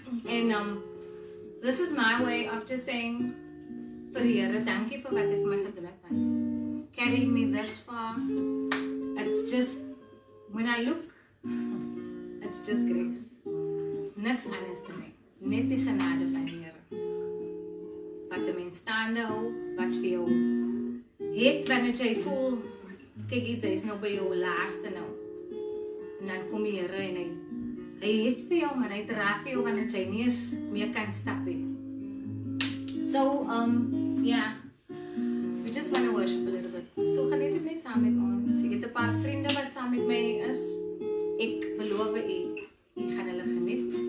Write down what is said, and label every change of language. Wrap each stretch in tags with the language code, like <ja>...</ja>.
<en>And this is my way of just saying, thank you for what you've done, carrying me this far. It's just, when I look, it's just grace. It's</en> <af>niks anders te nie. Net die genade van die Here. Wat die mens staande hou, wat vir jou het, wanneer jy voel, kyk iets, hy is nou by jou laaste nou. En dan kom die Here en hy het vir jou, en hy draag vir jou, wanneer jy nie eens meer kan stap in.</af> <en>So, we just want to worship a little bit.</en> <af>So, gaan dit net saam met ons. Ek het 'n paar vriende wat saam met my is. Ek beloof u, ek gaan hulle geniet.</af>